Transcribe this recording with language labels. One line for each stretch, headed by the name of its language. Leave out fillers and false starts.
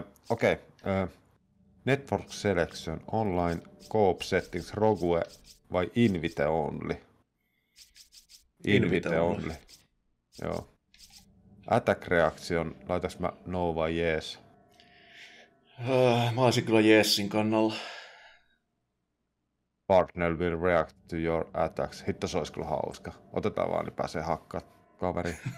Finnish: Okei. Network Selection, Online, Co-op Settings, Rogue vai Invite Only? Invite only. Joo. Attack Reaction, laitaks mä no vai jees? Mä olisin kyllä jeesin kannalla.
English: Partner will react to your attacks.
Finnish: Hitto, se olisi kyllä hauska. Otetaan vaan, niin pääsee hakkaat kaveri.